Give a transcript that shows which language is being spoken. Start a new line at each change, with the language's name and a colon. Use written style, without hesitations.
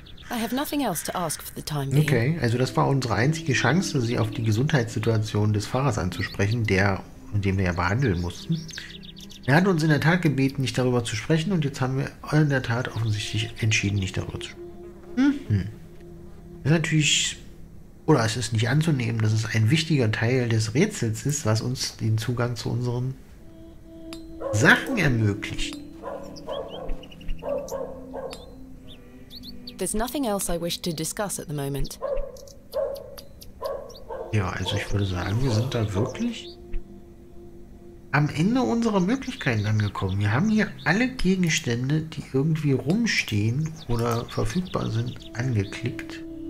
English: I have nothing else to ask for the time being.
German: Okay, also das war unsere einzige Chance, sie auf die Gesundheitssituation des Pfarrers anzusprechen, den wir ja behandeln mussten. Er hat uns in der Tat gebeten, nicht darüber zu sprechen, und jetzt haben wir in der Tat offensichtlich entschieden, nicht darüber zu sprechen. Das ist natürlich, oder es ist nicht anzunehmen, dass es ein wichtiger Teil des Rätsels ist, was uns den Zugang zu unseren Sachen ermöglicht.
English: There's nothing else I wish to discuss at the moment.
German: Ja, also ich würde sagen, wir sind da wirklich am Ende unserer Möglichkeiten angekommen. Wir haben hier alle Gegenstände, die irgendwie rumstehen oder verfügbar sind, angeklickt.